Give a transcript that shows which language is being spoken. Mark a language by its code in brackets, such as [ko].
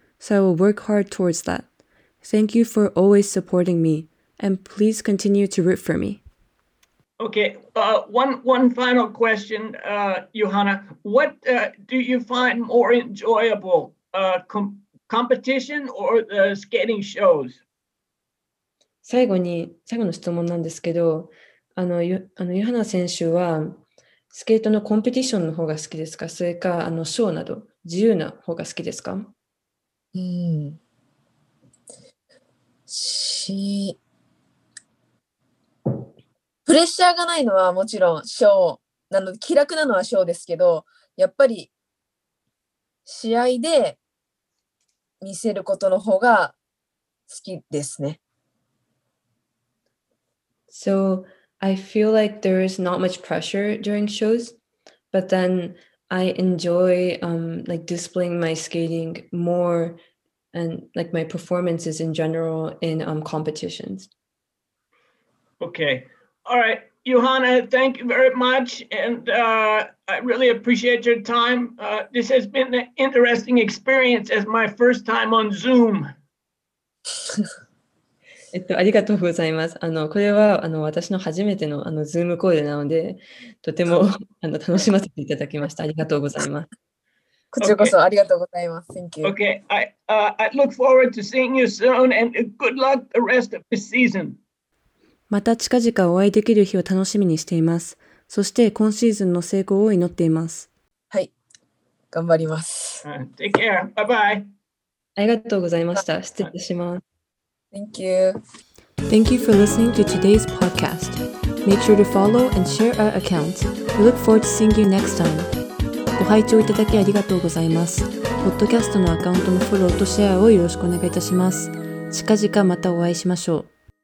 [en] So I will work hard towards that. Thank you for always supporting me, and please continue to root for me. Okay, one final question, Johanna. What do you find more enjoyable, competition or the skating shows? [ja] 最後の質問なんですけど、ユハナ選手はスケートのコンペティションの方が好きですか、それかあのショーなど自由な方が好きですか。うん、しプレッシャーがないのはもちろんショーなので気楽なのはショーですけど、やっぱり試合で見せることの方が好きですね。 [en] So I feel like there is not much pressure during shows, but then I enjoy like displaying my skating more and like my performances in general in competitions. Okay. All right, Johanna, thank you very much. And I really appreciate your time. This has been an interesting experience as my first time on Zoom. [ja] ありがとうございます。あのこれはあの私の初めてのあのZoomコールなので、とてもあの楽しませていただきました。ありがとうございます。こちらこそありがとうございます。 [en] Thank you. Okay, I look forward to seeing you soon and good luck the rest of this season. [ja] また近々お会いできる日を楽しみにしています。そして今シーズンの成功を祈っています。はい、頑張ります。 [en] Take care. Bye bye. [ja] ありがとうございました。失礼します。 [en] Thank you. Thank you for listening to today's podcast. Make sure to follow and share our account. We look forward to seeing you next time. [ja] ご拝聴いただきありがとうございます。ポッドキャストのアカウントのフォローとシェアをよろしくお願いいたします。近々またお会いしましょう。